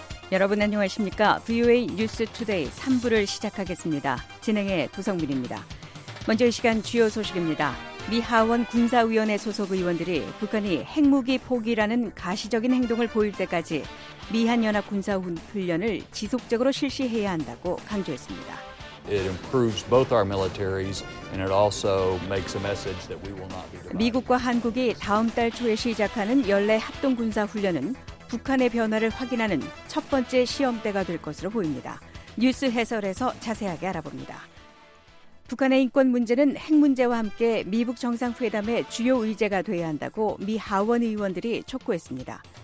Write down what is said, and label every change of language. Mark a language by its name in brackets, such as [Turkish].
[Korean] 여러분 안녕하십니까? VOA News Today 3부를 시작하겠습니다. 진행의 도성민입니다. 먼저 이 시간 주요 소식입니다. 미 하원 군사위원회 소속 의원들이 북한이 핵무기 포기라는 가시적인 행동을 보일 때까지 미한연합군사훈련을 지속적으로 실시해야 한다고 강조했습니다. [English] It improves both our militaries and it also makes a message that we will not be divided. [Korean] 미국과 한국이 다음 달 초에 시작하는 연례 합동군사훈련은 북한의 변화를 확인하는 첫 번째 시험대가 될 것으로 보입니다. 뉴스 해설에서 자세하게 알아봅니다. 북한의 인권 문제는 핵 문제와 함께 미북 정상회담의 주요 의제가 돼야 한다고 미 하원 의원들이 촉구했습니다.